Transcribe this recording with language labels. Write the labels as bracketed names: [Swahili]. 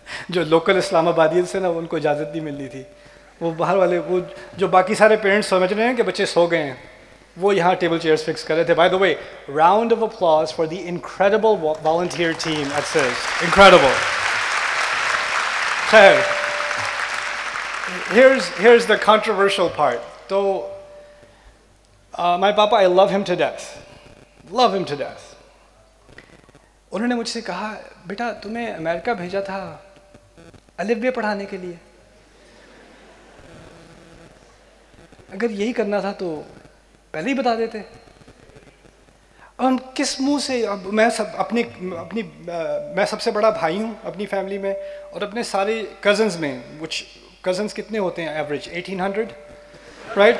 [Hindi] जो लोकल इस्लामाबादियन से ना, उनको इजाज़त नहीं मिलनी थी. वो बाहर वाले, वो जो बाकी सारे पेरेंट्स समझ रहे हैं कि बच्चे सो गए हैं, वो यहाँ टेबल चेयर्स फिक्स कर रहे थे. [English] By the way, round of applause for the incredible volunteer team at CIST. Incredible. खैर, Here's the controversial part. So, my papa, I love him to death. Love him to death. [Hindi] उन्होंने मुझसे कहा, बेटा तुम्हें America भेजा था अलिफ्बे पढ़ाने के लिए. अगर यही करना था तो पहले ही बता देते. हम किस मुंह से, मैं सब अपनी मैं सबसे बड़ा भाई हूँ अपनी फैमिली में, और अपने सारे कजन्स में, कुछ कजन्स कितने होते हैं एवरेज, 1800, राइट?